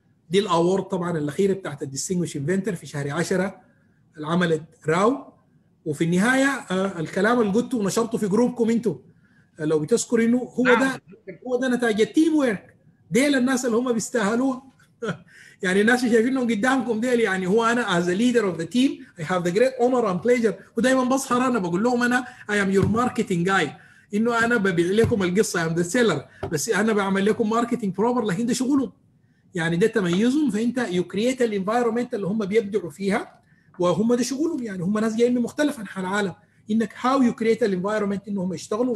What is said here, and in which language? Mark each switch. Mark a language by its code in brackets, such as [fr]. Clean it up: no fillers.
[ar] دي الاورد طبعا الاخيره بتاعت [en] الديستينجويش انفنتر [ar] في شهر 10 العملت راو. وفي النهايه الكلام اللي قلته ونشرته في جروبكم انتم لو بتذكر انه هو ده هو ده نتائج التيم ورك دي للناس اللي هم بيستاهلوها. يعني الناس شايفينهم قدامكم ديل. يعني هو انا [en] as a leader of the team I have the great honor and pleasure. [ar] ودايما بصحر انا بقول لهم انا [en] I am your marketing guy. [ar] انه انا ببيع لكم القصة [en] I am the seller [ar] بس انا بعمل لكم marketing proper. لكن ده شغلهم يعني ده تميزهم. فانت [en] you create the environment [ar] اللي هم بيبدعوا فيها وهم ده شغلهم. يعني هم ناس جايين من مختلف عن حال العالم. انك [en] how you create the environment [ar] انه هم يشتغلوا.